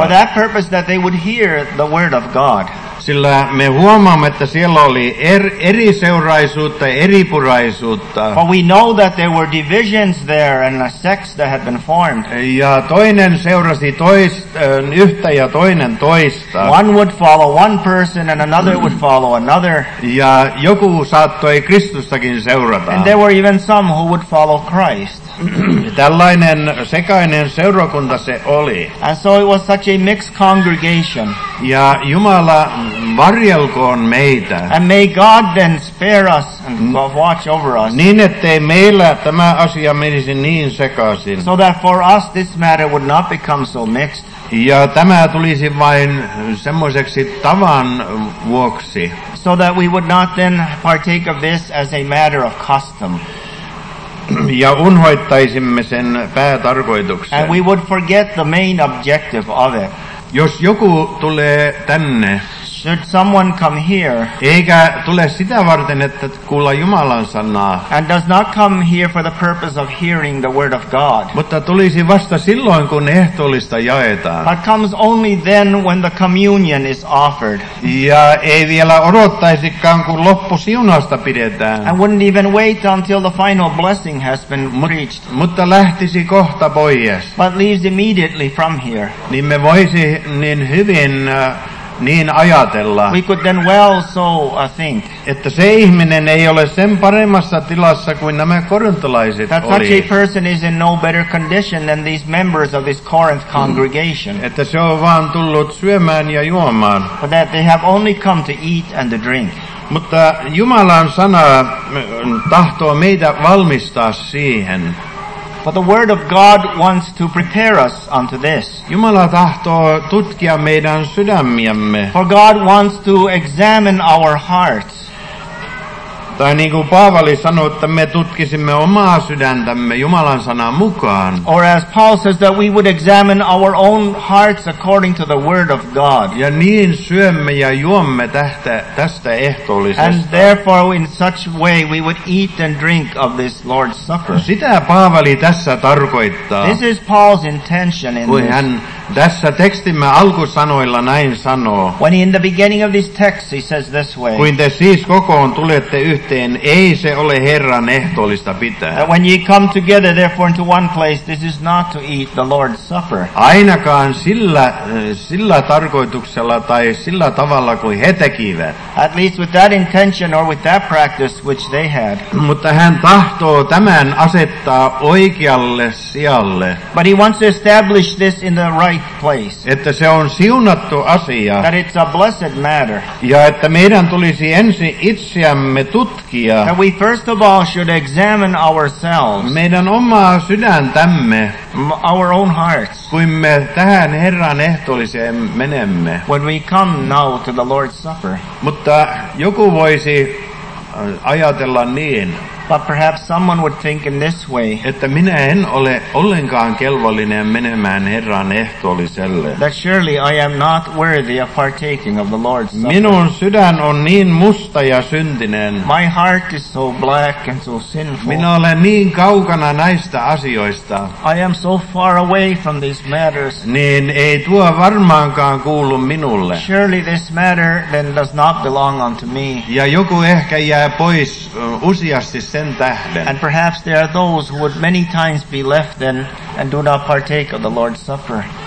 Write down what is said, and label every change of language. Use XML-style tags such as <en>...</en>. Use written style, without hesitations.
<en>For that purpose that they would hear the word of God.</en> <fi>Sillä me huomaamme, että siellä oli eri seuraisuutta, eri puraisuutta.</fi> <en>But we know that there were divisions there and a sect that had been formed.</en> <fi>Ja toinen seurasi yhtä ja toinen toista.</fi> <en>One would follow one person and another would follow another.</en> <fi>Ja joku saattoi Kristustakin seurata.</fi> <en>And there were even some who would follow Christ.</en> <fi>Tällainen sekainen seurakunta se oli.</fi> <en>And so it was such a mixed congregation.</en> <fi>Ja Jumala varjelkoon meitä.</fi> <en>And may God then spare us and watch over us.</en> <fi>Niin ettei meillä tämä asia menisi niin sekaisin.</fi> <en>So that for us this matter would not become so mixed.</en> <fi>Ja tämä tulisi vain semmoiseksi tavan vuoksi.</fi> <en>So that we would not then partake of this as a matter of custom.</en> <fi>Ja unhoittaisimme sen päätarkoituksen.</fi> <en>And we would forget the main objective of it.</en> <fi>Jos joku tulee tänne,</fi> <en>should someone come here,</en> <fi>eikä tule sitä varten, että kuulla Jumalan sanaa,</fi> <en>and does not come here for the purpose of hearing the word of God,</en> <fi>mutta tulisi vasta silloin, kun ehtoollista jaetaan,</fi> <en>but comes only then when the communion is offered,</en> <fi>ja ei vielä odottaisikaan, kun loppusiunasta pidetään,</fi> <en>and wouldn't even wait until the final blessing has been preached,</en> <fi>mutta lähtisi kohta pois,</fi> <en>but leaves immediately from here,</en> <fi>niin me voisi niin hyvin niin ajatella,</fi> <en>we could then well so think,</en> <fi>että se ihminen ei ole sen paremmassa tilassa kuin nämä korintolaiset olivat.</fi> <en>That such a person is in no better condition than these members of this Corinth congregation.</en> <fi>Että se on vaan tullut syömään ja juomaan.</fi> <en>But that they have only come to eat and to drink.</en> <fi>Mutta Jumalan sana tahtoo meitä valmistaa siihen.</fi> <en>But the word of God wants to prepare us unto this.</en> <fi>Jumala tahtoo tutkia meidän sydämiämme.</fi> <en>For God wants to examine our hearts.</en> <fi>Tai niin kuin Paavali sanoi, että me tutkisimme omaa sydäntämme Jumalan sanan mukaan.</fi> <en>Or as Paul says that we would examine our own hearts according to the word of God.</en> <fi>Ja niin syömme ja juomme tästä ehtoollisesta.</fi> <en>And therefore in such way we would eat and drink of this Lord's Supper.</en> <fi>Sitä Paavali tässä tarkoittaa.</fi> <en>This is Paul's intention in this.</en> <fi>Hän tässä tekstimme alkusanoilla näin sanoo.</fi> <en>When in the beginning of this text he says this way.</en> <fi>Kuin te siis kokoon tulette yhteen, ei se ole Herran ehtoollista pitää.</fi> <en>That when ye come together therefore into one place, this is not to eat the Lord's Supper.</en> <fi>Ainakaan sillä tarkoituksella tai sillä tavalla kuin he tekivät.</fi> <en>At least with that intention or with that practice which they had.</en> <fi>Mutta hän tahtoo tämän asettaa oikealle sijalle.</fi> <en>But he wants to establish this in the right place.</en> <fi>Että se on siunattu asia.</fi> <en>That it's a blessed matter.</en> <fi>Ja että meidän tulisi ensin itseämme tutkia.</fi> <en>That we first of all should examine ourselves.</en> <fi>Meidän omaa sydäntämme.</fi> <en>Our own hearts.</en> <fi>Kun me tähän Herran ehtoolliseen menemme.</fi> <en>When we come now to the Lord's Supper.</en> <fi>Mutta joku voisi ajatella niin.</fi> <en>But perhaps someone would think in this way.</en> <fi>Että minä en ole ollenkaan kelvollinen menemään Herran ehtoolliselle.</fi> <en>That surely I am not worthy of partaking of the Lord's supper.</en> <fi>Minun sydän on niin musta ja syntinen.</fi> <en>My heart is so black and so sinful.</en> <fi>Minä olen niin kaukana näistä asioista.</fi> <en>I am so far away from these matters.</en> <fi>Niin ei tuo varmaankaan kuulu minulle.</fi> <en>Surely this matter then does not belong unto me.</en> <fi>Ja joku ehkä jää pois usiasti sen tähden.</fi> <en>And perhaps there are those who would many times be left then and do not partake of the Lord's Supper.</en>